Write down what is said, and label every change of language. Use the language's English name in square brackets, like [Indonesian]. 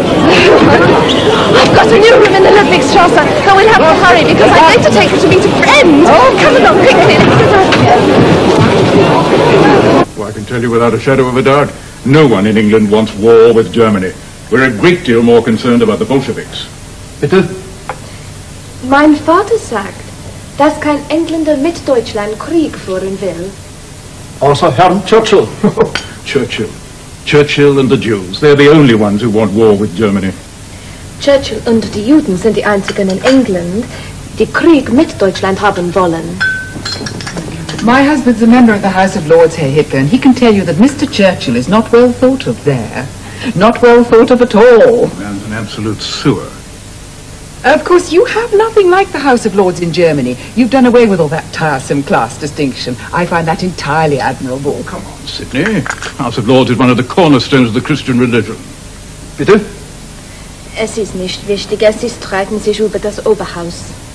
[English] I've got a new room in the Ludwigstrasse, so we'll have to hurry because I'd like to take her to meet a friend. Oh, come along quickly. Well, I can tell you without a shadow of a doubt, no one in England wants war with Germany. We're a great deal more concerned about the Bolsheviks. [German] Bitte? Mein Vater sagt, dass kein Engländer mit Deutschland Krieg führen will. Außer Herrn Churchill. [English] Churchill. Churchill and the Jews. They're the only ones who want war with Germany. [German] Churchill und die Juden sind die einzigen in England, die Krieg mit Deutschland haben wollen. [English] My husband's a member of the House of Lords, Herr Hitler, and he can tell you that Mr. Churchill is not well thought of there. Not well thought of at all. Man's an absolute sewer. Of course, you have nothing like the House of Lords in Germany. You've done away with all that tiresome class distinction. I find that entirely admirable. Oh, come on, Sydney. House of Lords is one of the cornerstones of the Christian religion. [German] Bitte? Es ist nicht wichtig, es ist streiten sich über das Oberhaus.